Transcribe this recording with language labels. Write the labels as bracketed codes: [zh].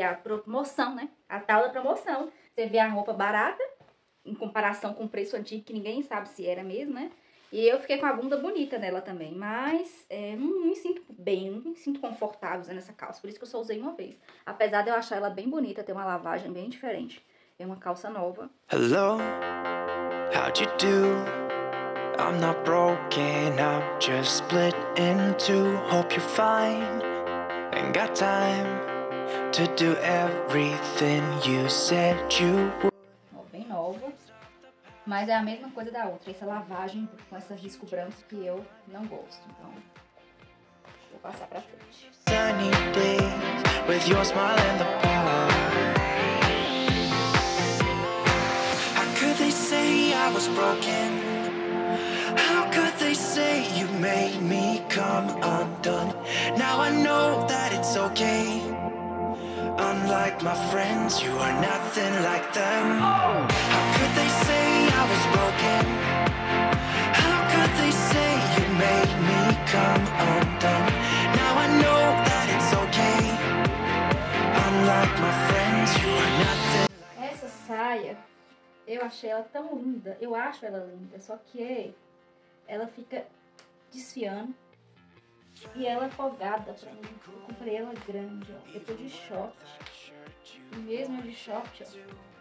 [pt] A promoção, né? A tal da promoção. Você vê a roupa barata em comparação com o preço antigo, que ninguém sabe se era mesmo, né? E eu fiquei com a bunda bonita nela também, mas não me sinto bem, não me sinto confortável usando essa calça, por isso que eu só usei uma vez. Apesar de eu achar ela bem bonita, ter uma lavagem bem diferente, é uma calça nova. [en] Hello, how'd you do? I'm not broken, I'm just split in two. Hope you're fine, and got time to do everything you said you would. [pt] Mas é a mesma coisa da outra, essa lavagem com esse risco branco que eu não gosto. Então, vou passar pra frente. [en] Sunny days with your smile and the power. How could they say I was broken? How could they say you made me come undone? Now I know that it's okay. Unlike my friends, you are nothing like them. How could they say I was broken? How could they say you made me come undone? Now I know that it's okay. Unlike my friends, you are nothing. [pt] Essa saia, eu achei ela tão linda. Eu acho ela linda, só que ela fica desfiando. E ela é folgada pra mim. Eu comprei ela grande, ó. Eu tô de short. E mesmo de short, ó.